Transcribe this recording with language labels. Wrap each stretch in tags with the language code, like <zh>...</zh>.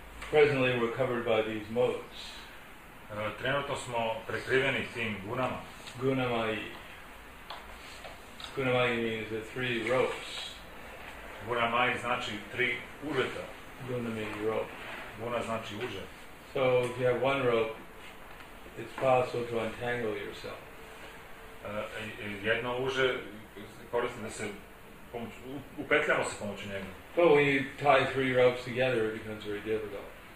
<en>Presently we're covered by these modes.</en> <sr>Trenutno smo prekriveni tim gunama.</sr> <en>Gunamai means the three ropes.</en> <sr>Gunamai znači tri užeta.</sr> <en>Gunami rope.</en> <sr>Guna znači užet.</sr> <en>So if you have one rope, it's possible to untangle yourself.</en> <sr>jedno uže koristim da se pomoć, upetljamo se pomoću njega.</sr> <en>Well, when you tie three ropes together, it becomes very difficult.</en>